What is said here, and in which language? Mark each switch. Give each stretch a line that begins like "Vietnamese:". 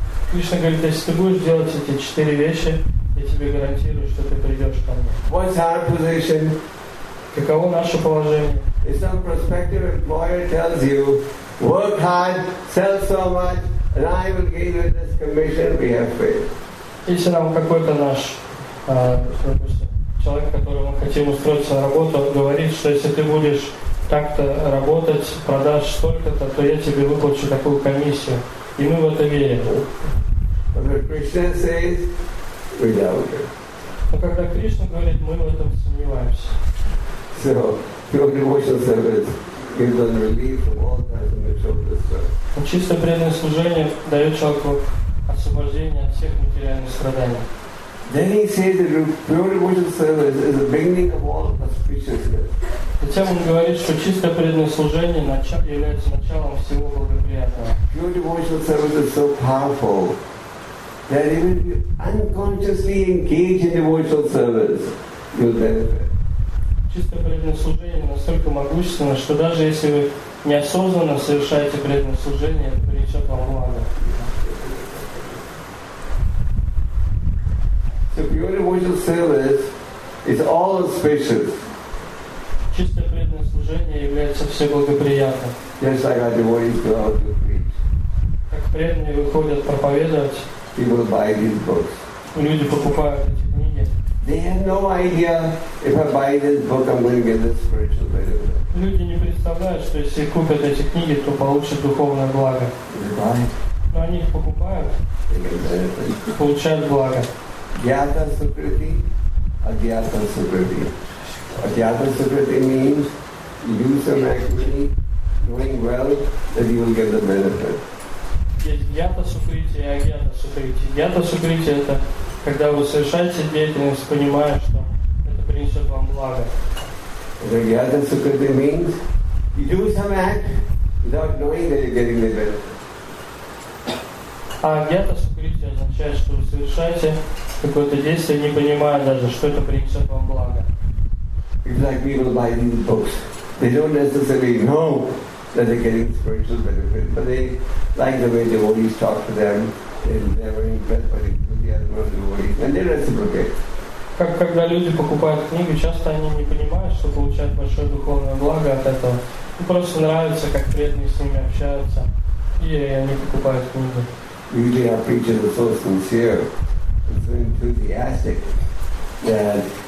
Russian: Кришна говорит, если ты будешь делать эти четыре вещи, я тебе гарантирую, что ты придешь ко мне.
English: What's our position?
Russian: Каково наше положение?
English: If some prospective employer tells you, work hard, sell so much, and I will give you this commission, we have faith.
Russian: Если нам какой-то наш, допустим, человек, которого мы хотим устроиться на работу, говорит, что если ты будешь так-то работать, продашь столько-то, то я тебе выплачу такую комиссию. И мы в это верим. Но когда Кришна говорит, мы в этом сомневаемся.
English: So, pure devotional service gives us relief from all kinds of material distress.
Russian: Чистое преданное служение дает человеку освобождение от всех материальных страданий.
English: Then he says that pure devotional service is the beginning of all auspiciousness.
Russian: Затем он говорит, что чистое преданное служение является началом всего благоприятного.
English: Pure devotional service is so powerful that even if you unconsciously engage in devotional service, you'll benefit.
Russian: Чистое преданное служение настолько могущественно, что даже если вы неосознанно совершаете преданное служение, это принесет вам благо.
English: So pure devotional service is all auspicious.
Russian: Чистое преданное служение является все благоприятным.
English: Just like our devotees go out to preach.
Russian: Как преданные выходят проповедовать.
English: People buy these books.
Russian: Люди покупают эти книги.
English: They have no idea if I buy this book, I'm going to get this spiritual benefit.
Russian: Люди не представляют, что если купят эти книги, то получат духовное благо.
English: They buy it.
Russian: Но они их покупают.
English: They get benefit.
Russian: Получают благо.
English: Gyata Sukriti, Agyata Sukriti. Agyata Sukriti means you do some activity, doing well, that you will get the benefit.
Russian: Гьята Сукрити и Агьята Сукрити. Гьята Сукрити – это когда вы совершаете деятельность, понимая, что это принесет вам благо.
English: Гьята Сукрити means you do some act without knowing that you're getting the benefit.
Russian: А Агьята Сукрити означает, что вы совершаете какое-то действие, не понимая даже, что это принесет вам благо.
English: It's like people buy these books. They don't necessarily know that they're getting spiritual benefit, but they like the way devotees talk to them, they're very impressed by the enthusiasm of devotees, and they reciprocate.
Russian: Как когда люди покупают книги, часто они не понимают, что получают большое духовное благо от этого. Им просто нравится, как преданные с ними общаются, и они покупают книги.
English: Usually our preachers are so sincere and so enthusiastic that